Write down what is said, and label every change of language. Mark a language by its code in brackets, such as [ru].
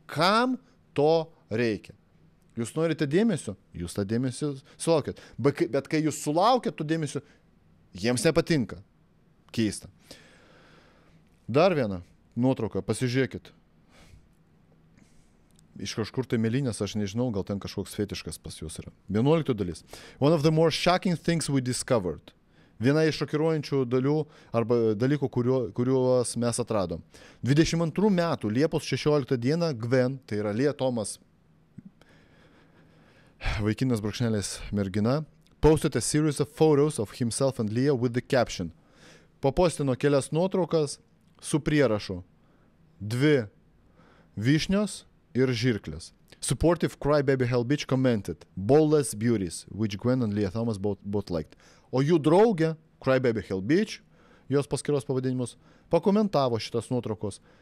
[lt] Kam to reikia? Jūs norite dėmesio, jūs tą dėmesį sulaukėt. Bet kai jūs sulaukėt tų dėmesio, jiems nepatinka. Keista. Dar vieną nuotrauką, pasižiūrėkit. Iš kažkur tai mėlynės, aš nežinau, gal ten kažkoks fetiškas pas jūs yra. 11 dalis. [en] One of the more shocking things we discovered. [lt] Viena iš šokiruojančių dalių arba dalykų, kuriuos mes atradom. 22 metų, Liepos 16 dieną, Gwen, tai yra Lie Thomas, vaikinas brūkšnelis mergina, [en] posted a series of photos of himself and Leah with the caption. [lt] Papostino kelias nuotraukas su prierašu. Dvi vyšnios ir žirklės. [en] Supportive crybaby hell bitch commented, boldless beauties, which Gwen and Leah Thomas both liked. [lt] O jų draugė, crybaby hell bitch, jos paskiros pavadinimus, pakomentavo šitas nuotraukos.